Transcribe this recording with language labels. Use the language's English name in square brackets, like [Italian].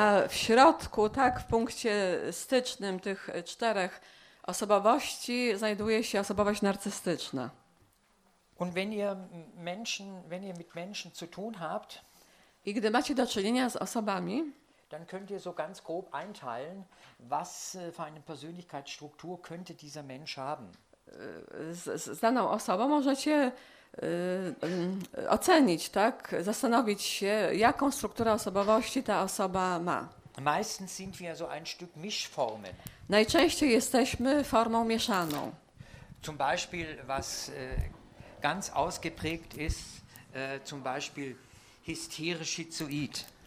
[Polish] A w środku, tak, w punkcie stycznym tych czterech osobowości znajduje się osobowość narcystyczna. [German] Und wenn ihr mit Menschen zu tun habt, [Polish] i gdy macie do czynienia z osobami, [German] dann könnt ihr so ganz grob einteilen, was für eine Persönlichkeitsstruktur könnte dieser Mensch haben. [Polish] Z daną osobą możecie ocenić, tak, zastanowić się, jaką strukturę osobowości ta osoba ma. [German] Meistens sind wir so ein Stück Mischformen. [Polish] Najczęściej jesteśmy formą mieszaną. [German] Zum Beispiel, was ganz ausgeprägt ist, zum Beispiel hysterisch schizoid.